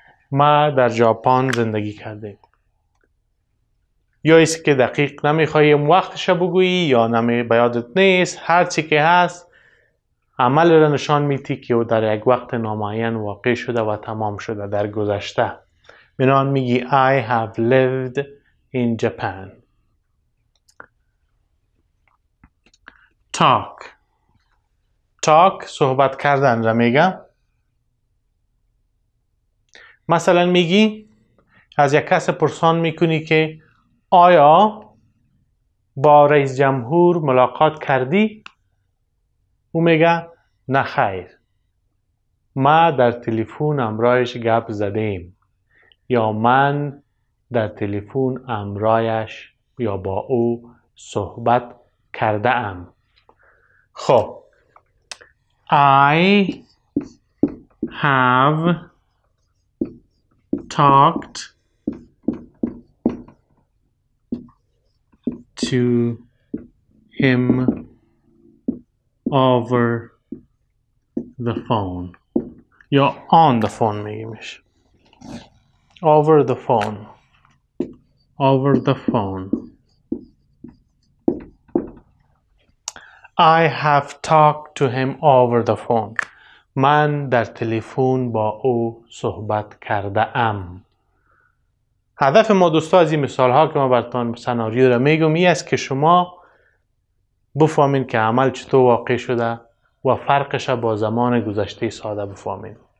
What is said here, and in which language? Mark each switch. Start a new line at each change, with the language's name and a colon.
Persian: ما در ژاپن زندگی کرده. یا ایست که دقیق نمیخواییم وقتش بگویی یا نمی بیادت نیست، هر چی که هست عمل را نشان میتی که او در یک وقت نامعین واقع شده و تمام شده در گذشته. بنابراین میگی
English: I have lived in Japan. Talk.
Persian: talk صحبت کردن را میگم. مثلا میگی از یک کس پرسان میکنی که آیا با رئیس جمهور ملاقات کردی؟ او میگه نه خیر، ما در تلفن امرایش گپ زدیم، یا من در تلفن امرایش یا با او صحبت کرده ام. خب
English: I have talked to him over the phone.
Persian: یا
English: on the phone
Persian: میگیمش.
English: Over the phone. Over the phone. I have talked to him over the phone.
Persian: من در تلفن با او صحبت کرده ام. هدف ما دوستان از این مثال ها که ما براتون سناریو را میگم این است که شما بفهمین که عمل چطور واقع شده و فرقش با زمان گذشته ساده بفهمین.